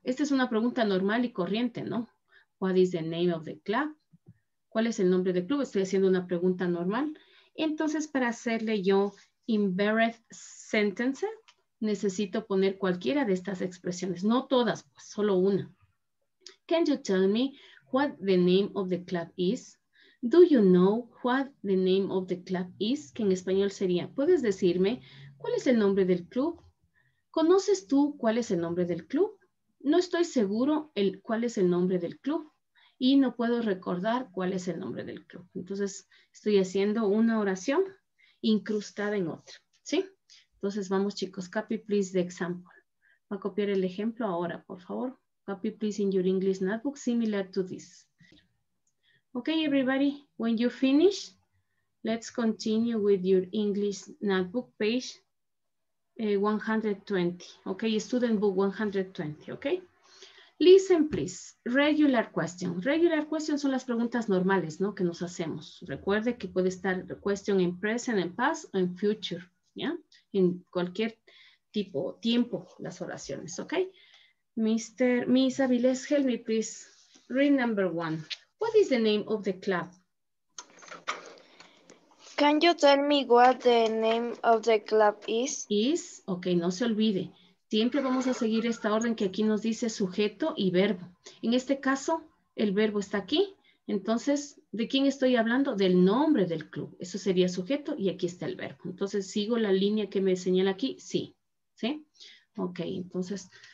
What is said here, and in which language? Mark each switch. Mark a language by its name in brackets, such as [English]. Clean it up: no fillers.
[Spanish] Esta es una pregunta normal y corriente, ¿no? [English] What is the name of the club? [Spanish] ¿Cuál es el nombre del club? Estoy haciendo una pregunta normal. Entonces, para hacerle yo [English] embedded sentence, [Spanish] necesito poner cualquiera de estas expresiones. No todas, pues solo una. [English] Can you tell me what the name of the club is? Do you know what the name of the club is? [Spanish] Que en español sería, ¿puedes decirme cuál es el nombre del club? ¿Conoces tú cuál es el nombre del club? No estoy seguro cuál es el nombre del club y no puedo recordar cuál es el nombre del club. Entonces, estoy haciendo una oración incrustada en otra, ¿sí? Entonces, vamos chicos, [English] copy please the example. [Spanish] Va a copiar el ejemplo ahora, por favor. [English] Copy please in your English notebook similar to this. Okay, everybody, when you finish, let's continue with your English notebook page 120. Okay, student book 120. Okay, listen, please. Regular question. Regular question [Spanish] son las preguntas normales, ¿no? Que nos hacemos. Recuerde que puede estar [English] question in present, in past, o in future, ¿ya? [Spanish] En cualquier tipo, tiempo, las oraciones, okay? [English] Miss Aviles, help me, please. Read number one. What is the name of the club? Can you tell me what the name of the club is? [Spanish] Is, ok, no se olvide. Siempre vamos a seguir esta orden que aquí nos dice sujeto y verbo. En este caso, el verbo está aquí. Entonces, ¿de quién estoy hablando? Del nombre del club. Eso sería sujeto y aquí está el verbo. Entonces, ¿sigo la línea que me señala aquí? Sí, ¿sí? Ok, entonces...